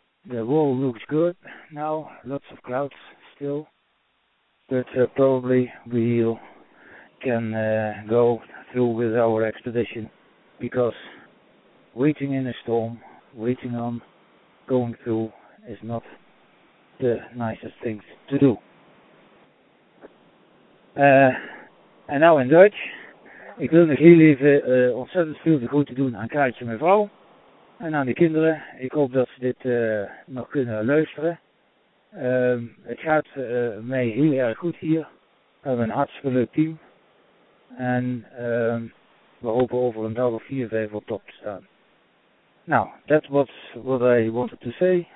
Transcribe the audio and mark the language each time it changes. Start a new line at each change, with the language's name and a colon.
English: The wall looks good now, lots of clouds still, but probably we can go through with our expedition, because waiting in a storm, waiting on going through is not the nicest thing to do. And now in Dutch,
Dutch: ik wil nog heel even ontzettend veel de groeten doen aan Kaartje mevrouw. En aan de kinderen, ik hoop dat ze dit nog kunnen luisteren. Het gaat mij heel erg goed hier. We hebben een hartstikke leuk team. En we hopen over een dag of 4-5 op top te staan.
English: Nou, that was what I wanted to say.